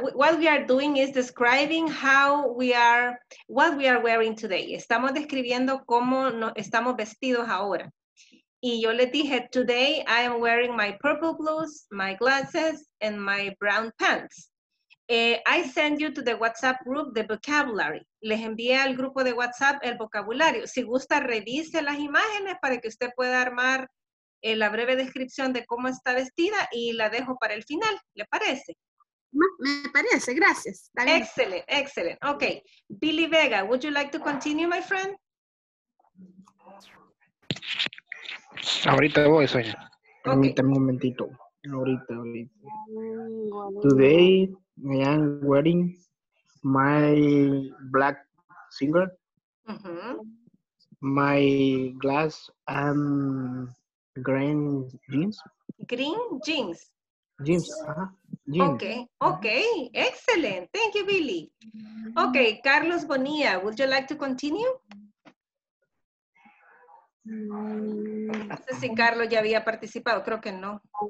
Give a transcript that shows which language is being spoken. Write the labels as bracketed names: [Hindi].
[English] What we are doing is describing how we are, what we are wearing today. [Spanish] Estamos describiendo cómo estamos vestidos ahora. Y yo les dije, [English] today I am wearing my purple blues, my glasses, and my brown pants. I send you to the WhatsApp group the vocabulary. [Spanish] Les envié al grupo de WhatsApp el vocabulario. Si gusta, revise las imágenes para que usted pueda armar la breve descripción de cómo está vestida y la dejo para el final. ¿Le parece? Me parece, gracias. [English] Excellent, excellent. Okay. Billy Vega, would you like to continue, my friend? [Spanish] Ahorita voy, Sonia. Permítame un momentito. Ahorita. [English] Today, I am wearing my black singlet, my glass and green jeans. Green jeans. Jeans, jeans. Okay, okay, excellent. Thank you, Billy. Okay, Carlos Bonilla, would you like to continue? [Spanish] No sé si Carlos ya había participado, creo que no.